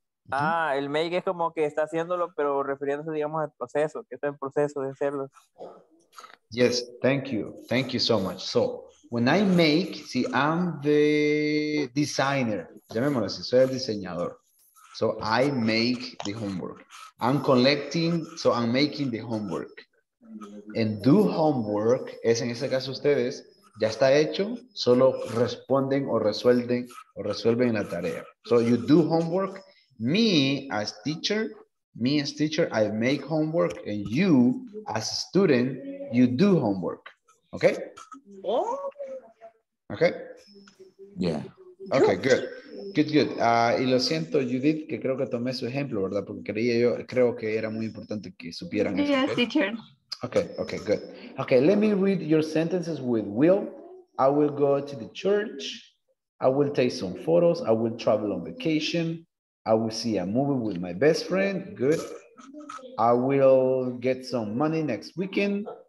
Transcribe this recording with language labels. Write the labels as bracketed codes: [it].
[es] El make es como que está haciéndolo, pero refiriéndose, digamos, al proceso, que está en proceso de hacerlo. [en] Yes, thank you. Thank you so much. So, when I make, see, I'm the designer. [es] Llamémoslo así, soy el diseñador. So, I make the homework. [en] I'm collecting, so I'm making the homework. And do homework, es en este caso ustedes, ya está hecho, solo responden o resuelven la tarea. So, you do homework. Me, as teacher, me as teacher, I make homework, and you as a student, you do homework. Okay? Oh. Okay? Yeah. Okay, good. Good, good. [es] Y lo siento, Judith, que creo que tomé su ejemplo, ¿verdad? Porque creía yo, creo que era muy importante que supieran [en] eso. Yes, teacher. Okay, okay, good. Okay, let me read your sentences with Will. I will go to the church. I will take some photos. I will travel on vacation. I will see a movie with my best friend. Good. I will get some money next weekend.